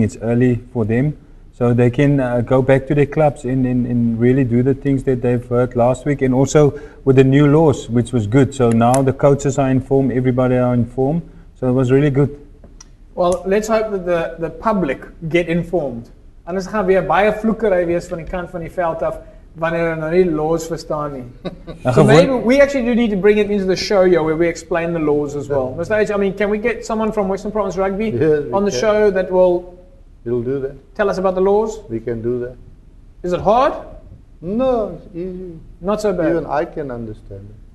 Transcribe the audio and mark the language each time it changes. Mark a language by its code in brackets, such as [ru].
[en] It's early for them. So they can go back to their clubs and really do the things that they've heard last week, and also with the new laws, which was good. So now the coaches are informed, everybody are informed. So it was really good. Well, let's hope that the public get informed. [af] Anders gaan weer baie vloekery wees van die kant van die veld af wanneer hulle nou nie laws verstaan nie. [en] So maybe we actually do need to bring it into the show, yo, where we explain the laws as well. Mr. H, I mean, can we get someone from Western Province Rugby on the show that will... It'll do that. Tell us about the laws. We can do that. Is it hard? No, it's easy. Not so bad. Even I can understand it.